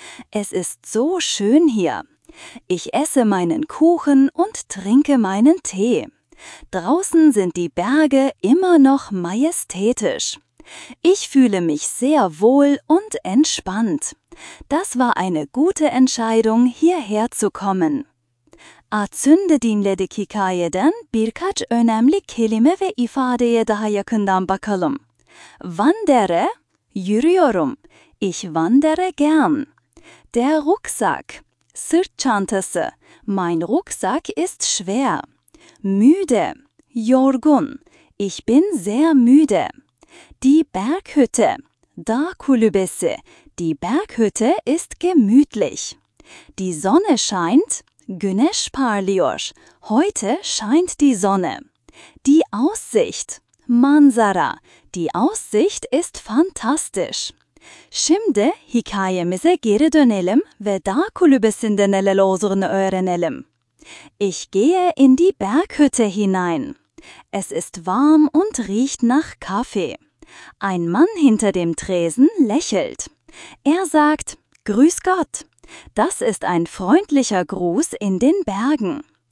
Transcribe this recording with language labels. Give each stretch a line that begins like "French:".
German: Es ist so schön hier. Ich esse meinen Kuchen und trinke meinen Tee. Draußen sind die Berge immer noch majestätisch. Ich fühle mich sehr wohl und entspannt. Das war eine gute Entscheidung, hierher zu kommen.
Turkish: A cündy din ledikikayeden birkaç önemli kelime ve ifadeye daha yakından bakalım.
German: Wandere,
Turkish: yürüyorum.
German: Ich wandere gern. Der Rucksack.
Turkish: Sırt çantası.
German: Mein Rucksack ist schwer. Müde.
Turkish: Yorgun.
German: Ich bin sehr müde. Die Berghütte.
Turkish: Dağ kulübesi.
German: Die Berghütte ist gemütlich. Die Sonne scheint.
Turkish: Güneş parlıyor.
German: Heute scheint die Sonne. Die Aussicht.
Turkish: Manzara.
German: Die Aussicht ist fantastisch.
Turkish: Şimdi hikayemize geri dönelim ve dağ kulübesinde neler olduğunu öğrenelim.
German: Ich gehe in die Berghütte hinein. Es ist warm und riecht nach Kaffee. Ein Mann hinter dem Tresen lächelt. Er sagt: "Grüß Gott." Das ist ein freundlicher Gruß in den Bergen.